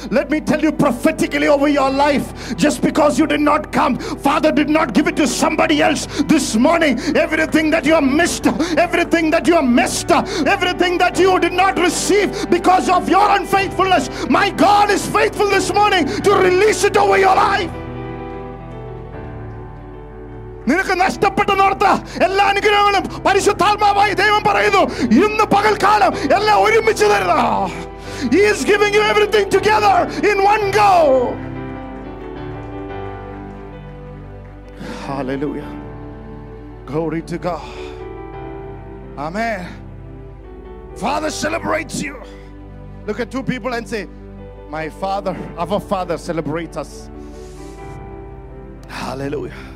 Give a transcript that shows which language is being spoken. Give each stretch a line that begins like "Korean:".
English: Let me tell you prophetically over your life, just because you did not come, Father did not give it to somebody else this morning. Everything that you have missed, everything that you have missed, everything that you did not receive because of your unfaithfulness, my God is faithful this morning to release it over your life.
Malayalam: നിനക്ക് നഷ്ടപ്പെട്ട് നേർത്ത എല്ലാ അനുഗ്രഹങ്ങളും പരിശുദ്ധാത്മാവായി ദൈവം പറയുന്നു, ഇന്ന് പകൽക്കാലം എല്ലാം ഒരുമിച്ച് തരുന്ന.
English: He is giving you everything together in one go. Hallelujah. Glory to God. Amen. Father celebrates you. Look at two people and say, my father, our father celebrates us. Hallelujah.